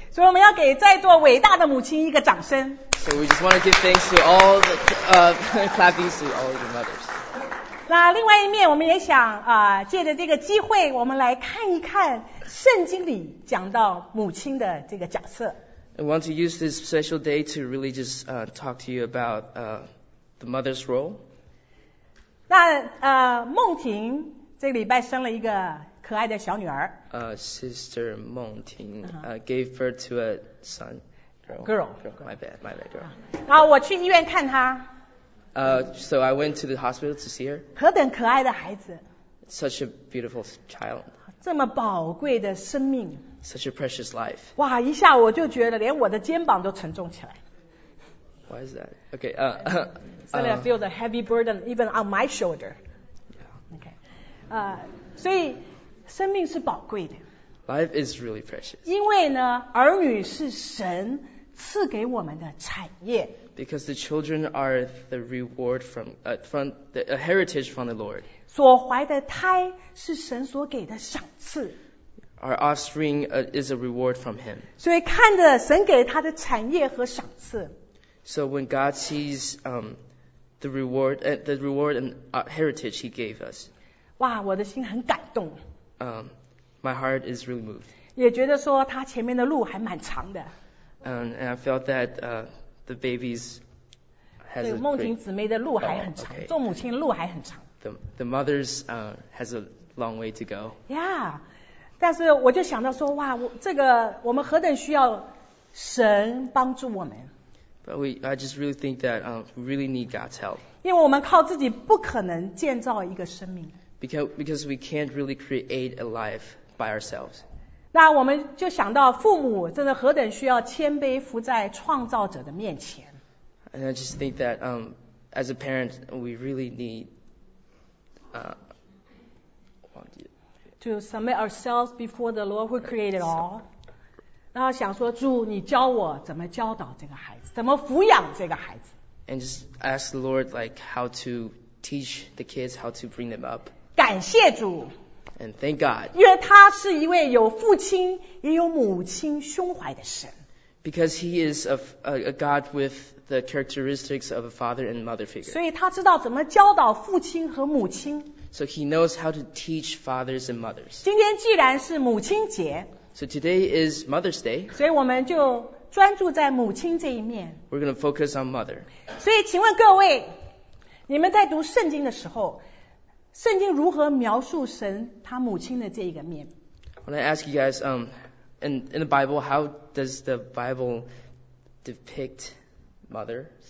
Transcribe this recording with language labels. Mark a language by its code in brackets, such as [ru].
[zh] 所以我们要给在座伟大的母亲一个掌声。 [en] So we just want to give thanks to all the, clapping to all the mothers. [zh] 那另外一面我们也想借着这个机会我们来看一看圣经里讲到母亲的这个角色。 [en] I want to use this special day to really just, talk to you about, the mother's role. [zh] 那孟婷这个礼拜生了一个可爱的小女儿。 [en] Sister 孟婷gave birth to a son. Girl. Girl. [zh] 我去医院看她。 [en] So I went to the hospital to see her. [zh] 何等可爱的孩子。 [en] Such a beautiful child. [zh] 这么宝贵的生命。 [en] Such a precious life. [zh] 哇，一下我就觉得连我的肩膀都沉重起来。 [en] Why is that? Okay. Suddenly I feel the heavy burden even on my shoulder. Yeah. Okay. [zh] 所以生命是宝贵的。 [en] Life is really precious. [zh] 因为呢，儿女是神赐给我们的产业。 [en] Because the children are the reward from, from the, a heritage from the Lord. [zh] 所怀的胎是神所给的赏赐。 [en] Our offspring is a reward from Him. [zh] 所以看着神给他的产业和赏赐。 [en] So when God sees, the reward and heritage He gave us. [zh] 哇，我的心很感动。 [en] My heart is really moved. [zh] 也觉得说他前面的路还蛮长的。 [en] And I felt that the babies has [zh] 对孟婷姊妹的路还很长，做母亲的路还很长。 [en] The mothers has a long way to go. Yeah, [zh] 但是我就想到说，哇，这个我们何等需要神帮助我们。 [en] But I just really think that we really need God's help. [zh] 因为我们靠自己不可能建造一个生命。 [en] Because we can't really create a life by ourselves. [zh] 那我们就想到父母真的何等需要谦卑伏在创造者的面前。 [en] And I just think that, as a parent, we really need, to submit ourselves before the Lord who created all. [zh] 然后想说主你教我怎么教导这个孩子，怎么抚养这个孩子。 [en] And just ask the Lord like how to teach the kids, how to bring them up. [zh] 感谢主 [en] ，and thank God， [zh] 因为他是一位有父亲也有母亲胸怀的神。 [en] Because he is a God with the characteristics of a father and mother figure。 [zh] 所以他知道怎么教导父亲和母亲。 [en] So he knows how to teach fathers and mothers。 [zh] 今天既然是母亲节 [en] ，So today is Mother's Day。 [zh] 所以我们就专注在母亲这一面。 [en] We're going to focus on mother。 [zh] 所以请问各位，你们在读圣经的时候。圣经如何描述神他母亲的这一个面 [en] I want to ask you guys, in the Bible, how does the Bible depict mothers?